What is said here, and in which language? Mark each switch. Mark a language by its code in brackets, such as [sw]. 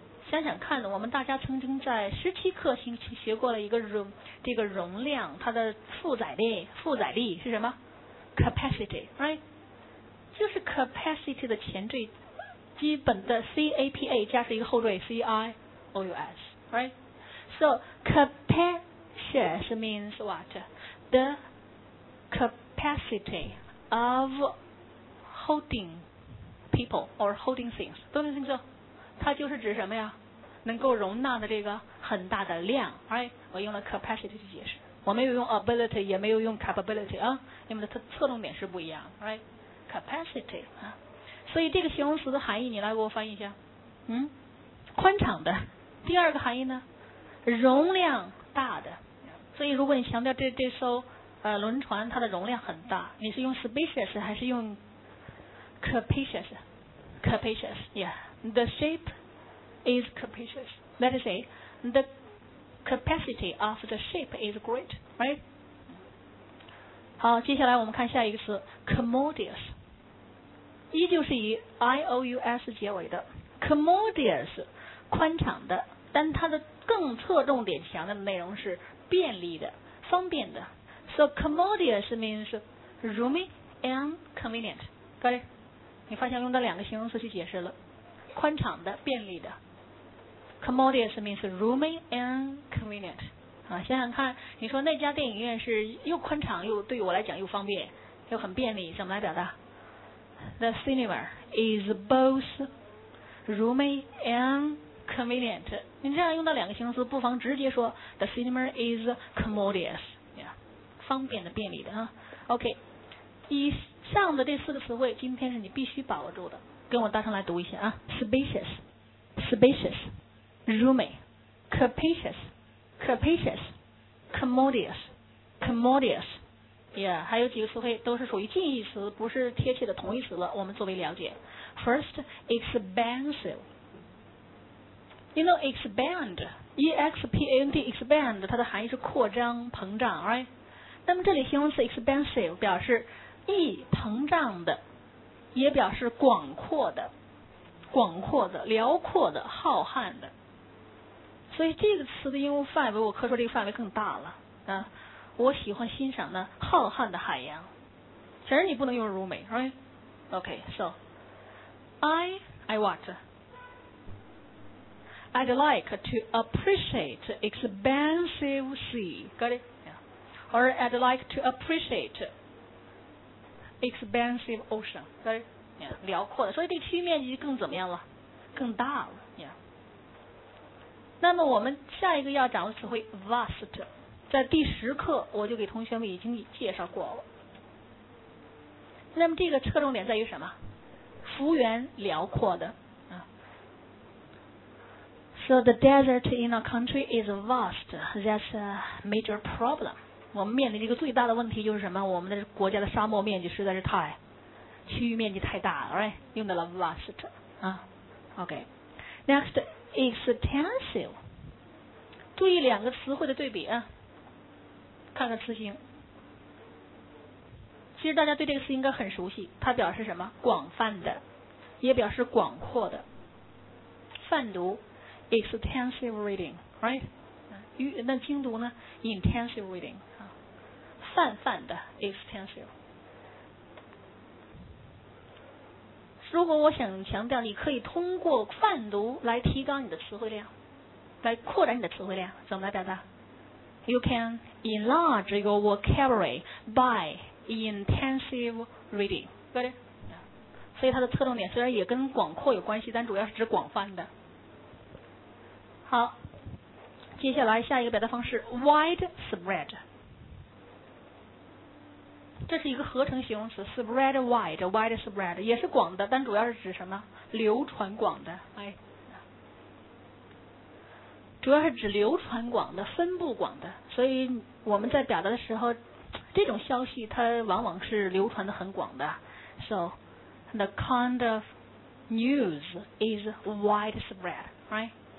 [zh] 想想看，我们大家曾经在十七课星期学过了一个 room， 这个容量，它的负载力是什么 ？capacity， right？就是 capacity 的前缀，基本的 C-A-P-A 加上一个后缀 C-I-O-U-S， [en] right？ So capacious means what？ The capacity of holding people or holding things， don't you think so？ [zh] 它就是指什么呀？能够容纳的这个很大的量， [en] right？ [zh] 我用了 capacity 去解释，我没有用 ability， 也没有用 capability 啊，因为它的侧重点是不一样， right？ Capacity 啊，所以这个形容词的含义你来给我翻译一下。嗯，宽敞的。第二个含义呢，容量大的。所以如果你强调这艘轮船它的容量很大，你是用 spacious 还是用 capacious？ [en] Capacious， yeah。 The ship is capacious. That is it. The capacity of the ship is great, right？ [zh] 好，接下来我们看下一个词 commodious。依旧是以 I-O-U-S 结尾的 commodious 宽敞的，但它的更侧重点强调的内容是便利的，方便的。 [en] So commodious means roomy and convenient， got it？ [zh] 你发现用到两个形容词去解释了，宽敞的，便利的。 [en] commodious means roomy and convenient [zh] 啊，想想看，你说那家电影院是又宽敞又对我来讲又方便又很便利，怎么来表达？ [en] The cinema is both roomy and convenient. [zh] 你这样用到两个形容词，不妨直接说 [en] The cinema is commodious. [zh] Yeah, 方便的，便利的啊。OK, 以上的这四个词汇，今天是你必须把握住的。跟我大声来读一下啊 ：spacious, spacious, roomy, capacious, capacious, commodious, commodious. Yeah, 还有几个词汇都是属于近义词，不是贴切的同义词了，我们作为了解。 [en] First, expansive. You know, expand, E-X-P-A-N-D, expand, [zh] 它的含义是扩张、膨胀， [en] right? [zh] 那么这里形容词 expansive 表示易膨胀的，也表示广阔的、辽阔的、浩瀚的。所以这个词的应用范围，我可说这个范围更大了啊。我喜欢欣赏那浩瀚的海洋，其实你不能用如美 right? [en] OK, so I what? I'd like to appreciate expansive sea, got it? Yeah. Or I'd like to appreciate expansive ocean, got it? [zh] Yeah, 辽阔的，所以这个区域面积更怎么样了？更大了 [en] yeah. [zh] 那么我们下一个要掌握的词汇 vast，在第十课我就给同学们已经介绍过了。那么这个侧重点在于什么？幅员辽阔的啊。 [en] So the desert in a country is vast. That's a major problem. [zh] 我们面临一个最大的问题就是什么？我们的国家的沙漠面积实在是太区域面积太大了 ， [en] right？ [zh] 用到了 vast 啊。 [en] OK. Next, extensive. [zh] 注意两个词汇的对比啊。看看词形，其实大家对这个词应该很熟悉，它表示什么？广泛的，也表示广阔的。泛读 extensive reading， right？那精读呢 ？intensive reading， 泛的 extensive。如果我想强调，你可以通过泛读来提高你的词汇量，来扩展你的词汇量，怎么来表达？ [en] You can enlarge your vocabulary by intensive reading. Got it? [zh] 所以它的侧重点虽然也跟广阔有关系，但主要是指广泛的。好，接下来下一个表达方式 widespread. 这是一个合成形容词 spread wide, widespread, 也是广的，但主要是指什么？流传广的。哎，主要是指流传广的、分布广的，所以我们在表达的时候，这种消息它往往是流传的很广的。 [en] So the kind of news is widespread, right?